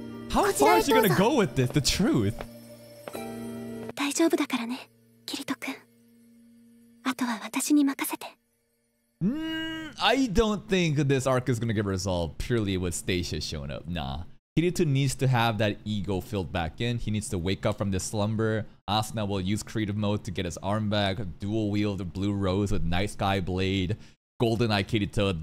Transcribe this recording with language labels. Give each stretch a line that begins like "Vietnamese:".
English: How far is she gonna go with this? The truth.
Japanese: 大丈夫だからね、キリト君。私に任せて。
English: I don't think this arc is gonna get resolved purely with Stacia showing up. Nah. Kirito needs to have that ego filled back in. He needs to wake up from this slumber. Asuna will use creative mode to get his arm back. Dual wield blue rose with night sky blade. Golden eye Kirito.